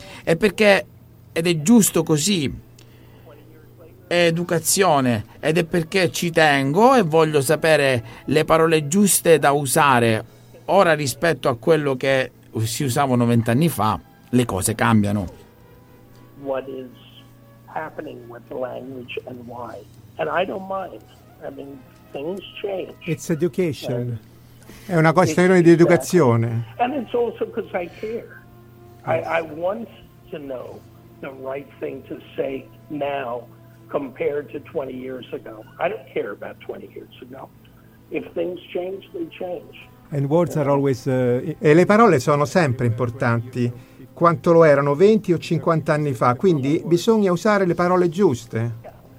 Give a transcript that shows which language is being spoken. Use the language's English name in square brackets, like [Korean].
[Italian] E perché, ed è giusto così, è educazione, ed è perché ci tengo e voglio sapere le parole giuste da usare. Ora, rispetto a quello che si usavano 20 anni fa, le cose cambiano. [English] What is happening with the language and why? And I don't mind. I mean, things change. It's education. È una questione di educazione. And it's also because I care. I want to know the right thing to say now compared to 20 years ago. I don't care about 20 years ago. If things change, they change. And words are always, [Italian] e le parole sono sempre importanti, quanto lo erano 20 o 50 anni fa, quindi bisogna usare le parole giuste.